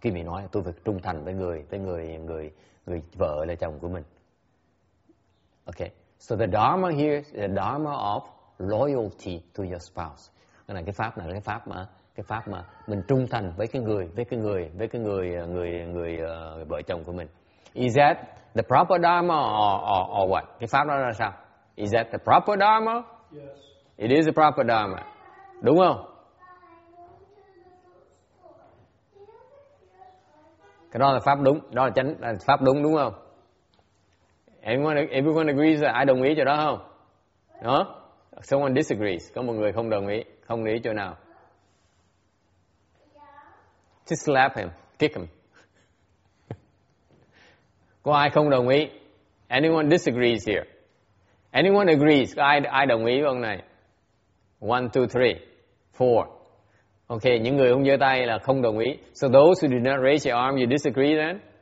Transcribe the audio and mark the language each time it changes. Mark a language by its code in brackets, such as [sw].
[vi] Quý vị nói tôi phải trung thành với người vợ là chồng của mình. Okay. [en] So the dharma here is the dharma of loyalty to your spouse. [vi] Cái này cái pháp mà mình trung thành với cái người vợ chồng của mình. [en] Is that the proper dharma or what? [vi] Cái pháp đó là sao? [en] Is that the proper dharma? Yes. It is the proper dharma. [vi] Đúng không? Cái đó là pháp đúng, đó là chánh, là pháp đúng, đúng không? [en] Everyone agrees, [vi] ai đồng ý chỗ đó không? Đó. [en] Someone disagrees. [vi] Có một người không đồng ý. Không lý chỗ nào. Yeah. [en] Just slap him. Kick him. [vi] Có ai không đồng ý? [en] Anyone disagrees here? Anyone agrees? [vi] Ai đồng ý với ông này? 1, 2, 3, 4. Okay, những người không giơ tay là không đồng ý. [en] So those who do not raise your arm, you disagree then?